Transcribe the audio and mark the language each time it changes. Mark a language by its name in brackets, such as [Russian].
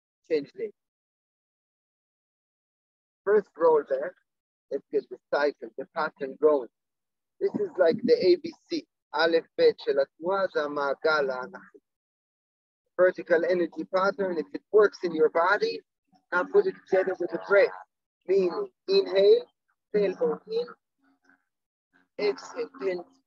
[English] Change leg. First roll back. Let's get the cycle, the pattern going. This is like the ABC. [Hebrew] Aleph Bet של התנועה זה המעגל האנכי. [English] Vertical energy pattern, if it works in your body, now put it together with the breath. Meaning, inhale, tailbone in, exhale, pin.